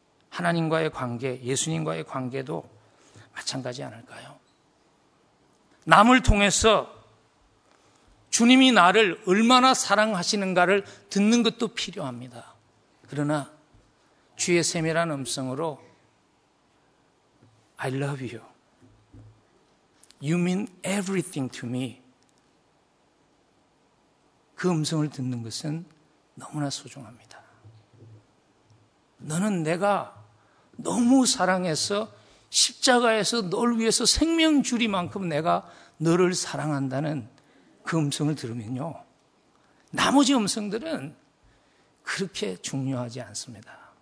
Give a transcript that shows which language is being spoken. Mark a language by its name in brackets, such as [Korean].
[Korean] 하나님과의 관계, 예수님과의 관계도 마찬가지 않을까요? 남을 통해서 주님이 나를 얼마나 사랑하시는가를 듣는 것도 필요합니다. 그러나 주의 세밀한 음성으로 [English] I love you. You mean everything to me. [Korean] 그 음성을 듣는 것은 너무나 소중합니다. 너는 내가 너무 사랑해서 십자가에서 널 위해서 생명 주리만큼 내가 너를 사랑한다는 그 음성을 들으면요, 나머지 음성들은 그렇게 중요하지 않습니다.